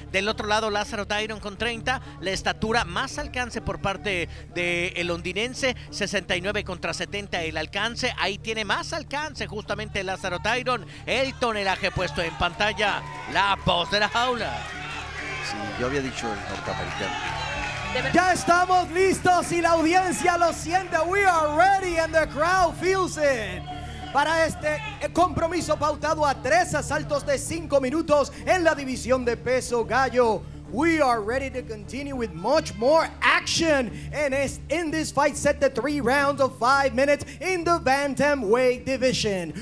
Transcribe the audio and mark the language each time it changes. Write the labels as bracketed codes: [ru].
[es] Del otro lado, Lázaro Dairo con 30. La estatura más alcance por parte del londinense, 69 contra 70 el alcance. Ahí tiene más alcance justamente Lázaro Dairo. El tonelaje puesto en pantalla, la voz de la jaula. Sí, yo había dicho el norteamericano. Ya estamos listos y la audiencia lo siente. [en] We are ready and the crowd feels it. [es] Para este compromiso pautado a 3 asaltos de 5 minutos en la división de peso gallo. [en] We are ready to continue with much more action in this fight set to 3 rounds of 5 minutes in the bantamweight division.